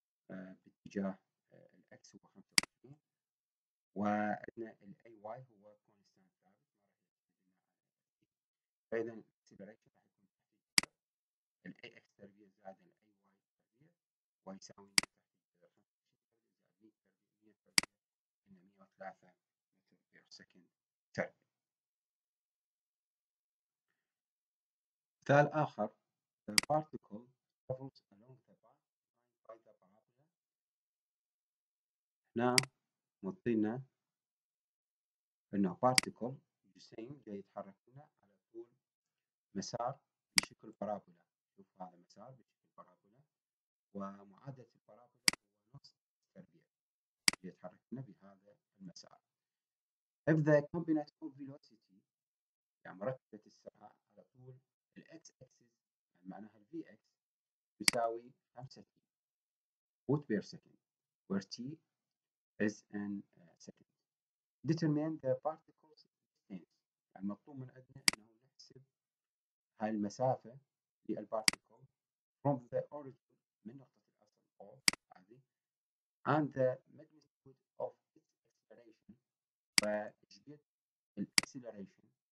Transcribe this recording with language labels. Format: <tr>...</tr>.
<ar>باتجاه الاكس هو 25، وعندنا الاي واي هو كونستانت ثابت ما راح يتغير، فاذا acceleration هيكون تحت الجذر. ال AX تربيع زائد ال AY تربيع ويساوي 100 تحت الجذر. 25 تربيع زائد 100 تربيع 100 تربيع إن 103 متر في سكند تربيع. مثال آخر.</ar> <en>The particle travels along the path defined by the parabola.</en> <ar>هنا مطينا إنه particle جسيم جاي يتحرك هنا على طول مسار بشكل بارابولا. شوف هذا مسار بشكل بارابولا ومعادلة البارابولا هو نص تربيع يتحرك هنا بهذا المسار.</ar> <en>If the component of velocity</en> <ar>يعني مركبة السرعة على طول ال</ar> <en>x axis</en> <ar>معناها ال</ar> <en>vx يساوي 5 t foot per second where t is in second. Determine the particle's distance</en> <ar>يعني مطلوب من عندنا انه نحسب هاي المسافة للبارتيكل</ar> <en>from the origin</en> <ar>من نقطة الأصل O هذه</ar> <en>and the magnitude of its acceleration</en> <ar>فجبت ال acceleration</ar>